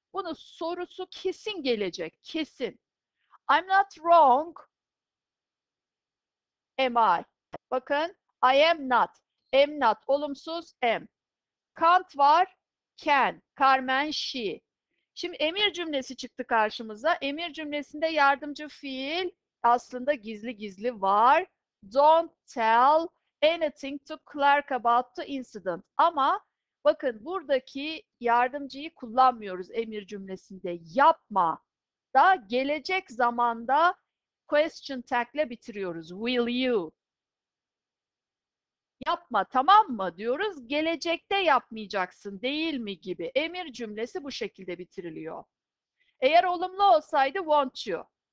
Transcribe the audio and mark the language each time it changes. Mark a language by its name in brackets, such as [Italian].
[Turkish] Bunun sorusu kesin gelecek, kesin. [English] I'm not wrong, am I? [Turkish] Bakın, [English] I am not. [Turkish] Am not, olumsuz, am. Can't var, can. Carmen, she. Şimdi emir cümlesi çıktı karşımıza. Emir cümlesinde yardımcı fiil aslında gizli gizli var. [English] Don't tell anything to clerk about the incident. [Turkish] Ama bakın buradaki yardımcıyı kullanmıyoruz emir cümlesinde. Yapma da gelecek zamanda question tag ile bitiriyoruz. [English] Will you? [Turkish] Yapma tamam mı diyoruz. Gelecekte yapmayacaksın değil mi gibi. Emir cümlesi bu şekilde bitiriliyor. Eğer olumlu olsaydı [English] won't you?